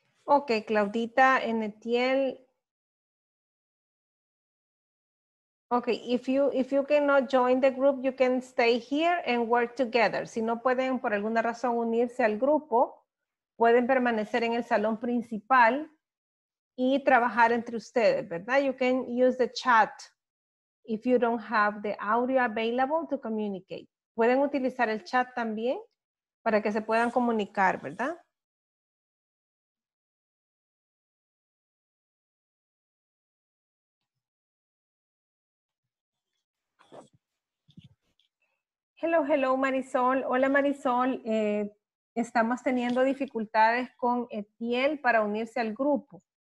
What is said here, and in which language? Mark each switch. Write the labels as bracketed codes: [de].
[en] Ok, Claudita, Enetiel. Ok, if you cannot join the group, you can stay here and work together. [es] Si no pueden por alguna razón unirse al grupo, pueden permanecer en el salón principal y trabajar entre ustedes, ¿verdad? [en] You can use the chat if you don't have the audio available to communicate. [es] Pueden utilizar el chat también para que se puedan comunicar, ¿verdad? [en] Hello, hello, [es] Marisol. Hola, Marisol. Estamos teniendo dificultades con Etiel para unirse al grupo.